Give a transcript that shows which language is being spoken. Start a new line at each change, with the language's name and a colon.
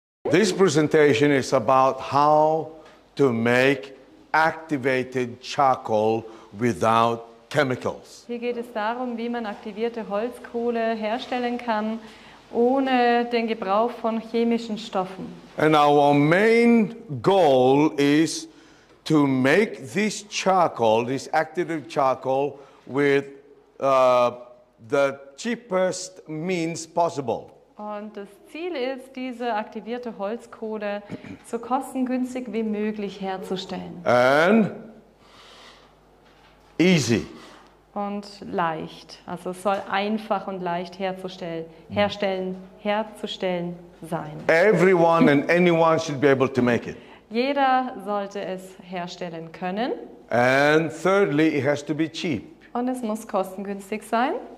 English: This presentation is about how to make activated charcoal without chemicals.
German: Hier geht es darum, wie man aktivierte Holzkohle herstellen kann, ohne den Gebrauch von chemischen Stoffen.
English: And our main goal is to make this charcoal, this activated charcoal, with the cheapest means possible.
German: Und das Ziel ist, diese aktivierte Holzkohle so kostengünstig wie möglich herzustellen.
English: And easy.
German: Und leicht. Also es soll einfach und leicht herzustellen sein.
English: Everyone and anyone should be able to make it.
German: Jeder sollte es herstellen können.
English: And thirdly, it has to be cheap.
German: Und es muss kostengünstig sein.